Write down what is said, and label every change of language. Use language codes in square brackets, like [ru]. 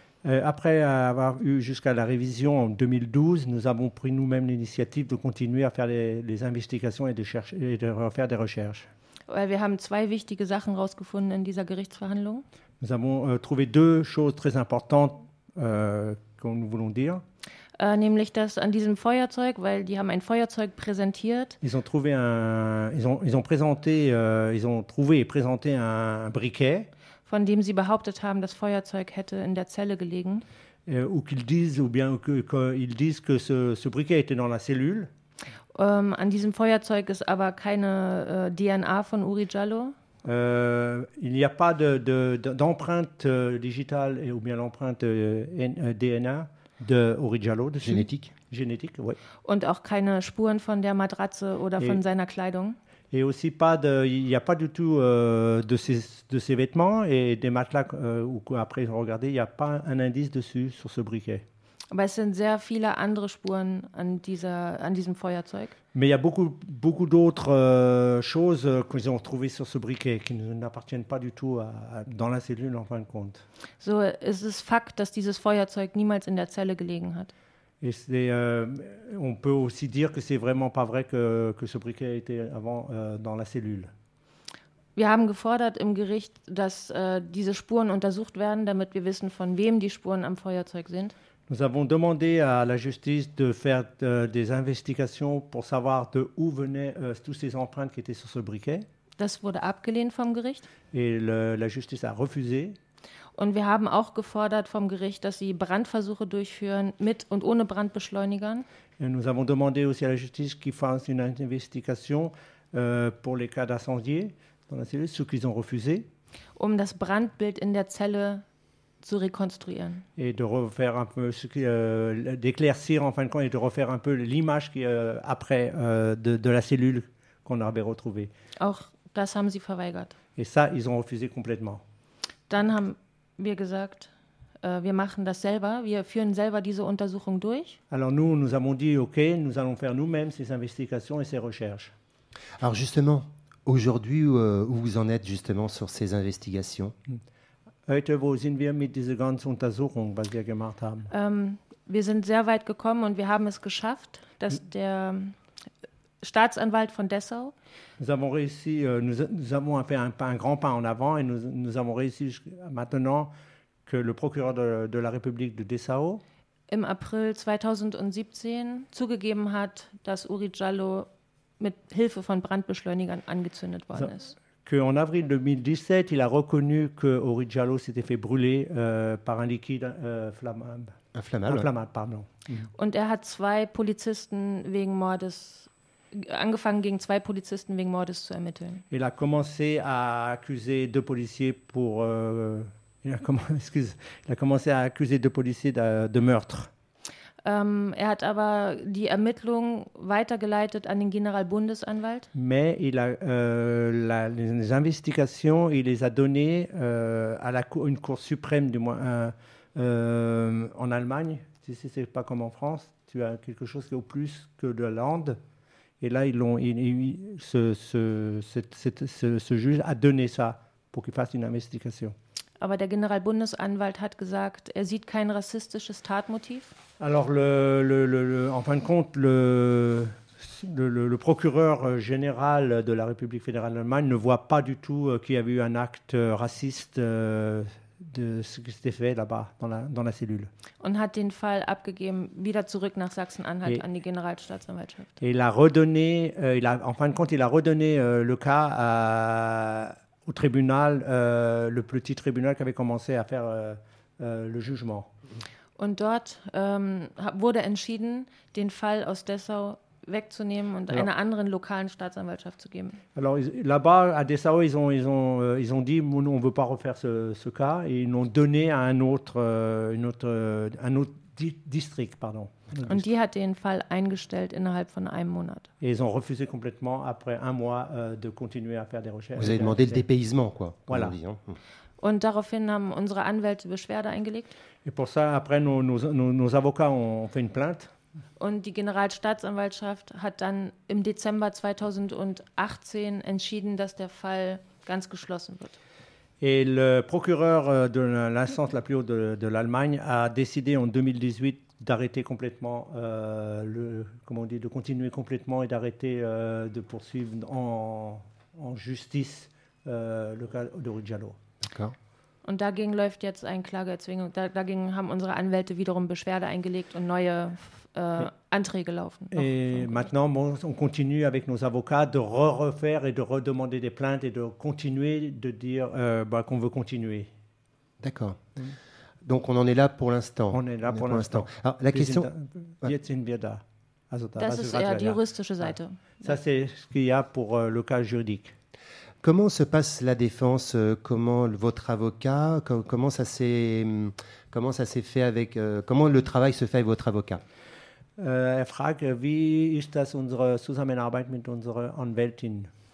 [fr] Après avoir eu jusqu'à la révision en 2012, nous avons pris nous-mêmes l'initiative de continuer à faire les investigations et de refaire des recherches. [de] Weil wir haben zwei wichtige Sachen rausgefunden in dieser Gerichtsverhandlung. [fr] Nous avons trouvé deux choses très importantes que nous voulons dire. [de] Nämlich dass an diesem Feuerzeug, weil die haben ein Feuerzeug präsentiert. [fr] Ils ont trouvé et présenté un briquet. [de] Von dem sie behauptet haben, das Feuerzeug hätte in der Zelle gelegen. [fr] Ou qu'ils disent que ce briquet était dans la cellule. [de] An diesem Feuerzeug ist aber keine DNA von Uri Jalloh. [fr] Il n'y a pas d'empreinte digitale ou bien l'empreinte DNA de Uri Jalloh dessus. Génétique. Génétique, oui. [de] Und auch keine Spuren von der Matratze oder von seiner Kleidung. [fr] Et aussi pas de, il n'y a pas du tout de ses vêtements et des matelas ou après regardez, il n'y a pas un indice dessus sur ce briquet. [de] Aber es sind sehr viele andere Spuren an diesem Feuerzeug. [fr] Mais il y a beaucoup d'autres choses qu'ils ont trouvées sur ce briquet qui n'appartiennent pas du tout dans la cellule en fin de compte. [de] So, es ist Fakt, dass dieses Feuerzeug niemals in der Zelle gelegen hat. [fr] Et c'est, on peut aussi dire que c'est vraiment pas vrai que ce briquet était avant dans la cellule. [de] Wir haben gefordert im Gericht, dass diese Spuren untersucht werden, damit wir wissen, von wem die Spuren am Feuerzeug sind. [fr] Nous avons demandé à la justice de faire des investigations pour savoir de où venaient toutes ces empreintes qui étaient sur ce briquet. [de] Das wurde abgelehnt vom Gericht. [fr] Et la justice a refusé. [de] Und wir haben auch gefordert vom Gericht, dass sie Brandversuche durchführen mit und ohne Brandbeschleunigern. [fr] Et nous avons demandé aussi à la justice qu'ils fassent une investigation pour les cas d'incendie dans la cellule, ce qu'ils ont refusé. [de] Um das Brandbild in der Zelle zu rekonstruieren. [fr] Et de refaire un peu ce qui d'éclaircir en fin de compte et de refaire un peu l'image qui après de la cellule qu'on avait retrouvée. [de] Auch das haben sie verweigert. [fr] Et ça, ils ont refusé complètement. [de] Dann haben wir gesagt, wir machen das selber, wir führen selber diese Untersuchung durch. [fr] Alors nous avons dit okay, nous allons faire nous-mêmes ces investigations et ces recherches. Alors justement, aujourd'hui où vous en êtes justement sur ces investigations? [de] Heute, wo sind wir mit dieser ganzen Untersuchung, was wir gemacht haben? Wir sind sehr weit gekommen und wir haben es geschafft, dass der Staatsanwalt von Dessau. [fr] Nous avons réussi, nous avons fait un grand pas en avant et nous avons réussi maintenant que le procureur de la République de Dessau [de] im April 2017 zugegeben hat, dass Uri Jalloh mit Hilfe von Brandbeschleunigern angezündet worden ist. [fr] Qu'en avril 2017, il a reconnu que Uri Jalloh s'était fait brûler par un liquide flammable. Inflammable, pardon. [de] Und er hat zwei Polizisten wegen Mordes angefangen, gegen zwei Polizisten wegen Mordes zu ermitteln. [fr] Il a commencé à accuser deux policiers pour il a commencé à accuser deux policiers de meurtre. [de] Er hat aber die Ermittlungen weitergeleitet an den Generalbundesanwalt. [fr] Mais les investigations, il les a données à une Cour suprême, du moins en Allemagne. Si ce n'est pas comme en France, tu as quelque chose qui est au plus que de la Lande. Et là, ce juge a donné ça pour qu'il fasse une investigation. [de] Aber der Generalbundesanwalt hat gesagt, er sieht kein rassistisches Tatmotiv. [fr] Alors, en fin de compte, le procureur général de la République fédérale d'Allemagne ne voit pas du tout qu'il y avait eu un acte raciste de ce qui s'était fait là-bas, dans la cellule. [de] Und hat den Fall abgegeben, wieder zurück nach Sachsen-Anhalt, an die Generalstaatsanwaltschaft. [fr] Et il a redonné, en fin de compte, il a redonné le cas au tribunal, le petit tribunal qui avait commencé à faire le jugement. [de] Und dort wurde entschieden, den Fall aus Dessau wegzunehmen und einer anderen lokalen Staatsanwaltschaft zu geben. [fr] Alors là-bas à Dessau, ils ont dit on ne veut pas refaire ce cas et ils l'ont donné à un autre district. [de] Und die hat den Fall eingestellt innerhalb von einem Monat. [fr] Et ils ont refusé complètement après un mois de continuer à faire des recherches. Vous avez demandé le dépaysement quoi. Voilà. [de] Und daraufhin haben unsere Anwälte Beschwerde eingelegt. [fr] Et pour ça, après, nos avocats ont fait une plainte. [de] Und die Generalstaatsanwaltschaft hat dann im Dezember 2018 entschieden, dass der Fall ganz geschlossen wird. [fr] Et le procureur de l'instance la plus haute de l'Allemagne a décidé en 2018 d'arrêter complètement, de continuer complètement et d'arrêter de poursuivre en justice le cas de Uri Jalloh. D'accord. [de] Und dagegen läuft jetzt eine Klageerzwingung. Dagegen haben unsere Anwälte wiederum Beschwerde eingelegt und neue Anträge laufen. [fr] Et maintenant, on continue avec nos avocats de refaire et de redemander des plaintes et de continuer de dire qu'on veut continuer. D'accord. Donc on en est là pour l'instant. On est là pour l'instant. Alors, la question. [de] Jetzt sind wir da. Also da das ist eher die juristische Seite. [fr] Ça, c'est ce qu'il y a pour le cas juridique. Comment se passe la défense? Comment votre avocat? Comment ça s'est fait avec? Comment le travail se fait avec votre avocat? [de] Er fragt, wie ist das unsere Zusammenarbeit mit unserer Anwältin?